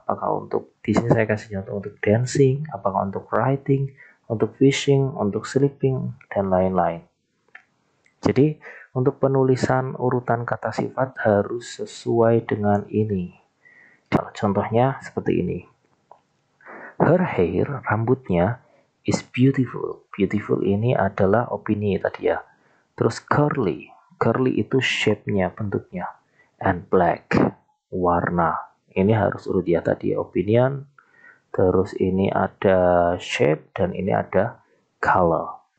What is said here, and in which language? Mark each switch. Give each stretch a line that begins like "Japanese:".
Indonesian: Apakah untuk, di sini saya kasih contoh untuk dancing, apakah untuk writing, untuk fishing, untuk sleeping, dan lain-lain. Jadi untuk penulisan urutan kata sifat harus sesuai dengan ini. Contohnya seperti ini.
English: Her hair,
Indonesian: rambutnya,
English: is beautiful.
Indonesian: Beautiful ini adalah opini tadi ya. Terus curly. Curly itu shape-nya, bentuknya. And black, warna. Ini harus urut ya tadi, opinion. Terus ini ada shape dan ini ada color.